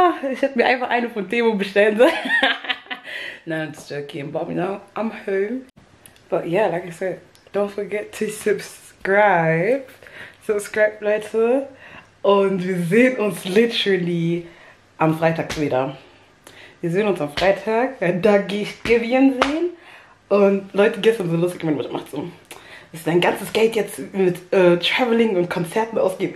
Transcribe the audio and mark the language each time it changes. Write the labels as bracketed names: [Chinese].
[German] Ich hätte mir einfach eine von Demo bestellen sollen. Nein, [English] it's joking. But now I'm home. But yeah, like I said, don't forget to subscribe. Subscribe, [German] Leute. Und wir sehen uns literally am Freitag wieder. Wir sehen uns am Freitag. Da gehe ich Gewinn sehen. Und Leute, gestern so lustig, meine Mutter macht so. Das ist dein ganzes Geld jetzt mit Traveling und Konzerten ausgeben.